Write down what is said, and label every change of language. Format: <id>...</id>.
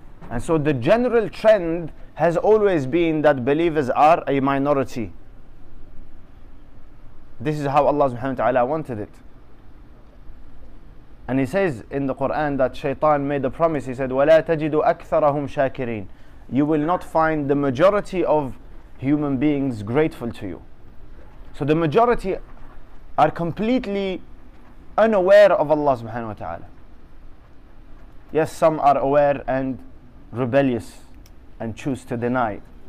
<en>And so the general trend has always been that believers are a minority. This is how Allah subhanahu wa ta'ala wanted it. And He says in the Quran that Shaytan made a promise. He said,</en> <ar>وَلَا تَجِدُ أَكْثَرَهُمْ شَاكِرِينَ.</ar> <en>You will not find the majority of human beings grateful to you. So the majority are completely unaware of Allah subhanahu wa ta'ala. Yes, some are aware and rebellious and choose to deny.</en>